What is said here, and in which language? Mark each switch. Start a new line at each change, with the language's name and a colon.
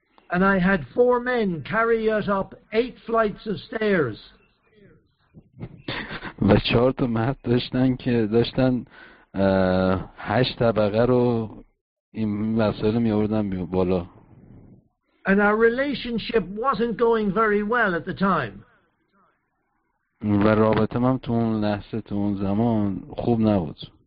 English: And I had four men carry it up 8 flights of stairs.
Persian: و 4 تا مرد داشتن 8 طبقه رو این وسایل می آوردن بالا.
English: And our relationship wasn't going very well at the time.
Persian: و رابطه‌م تو اون لحظه تو اون زمان خوب نبود.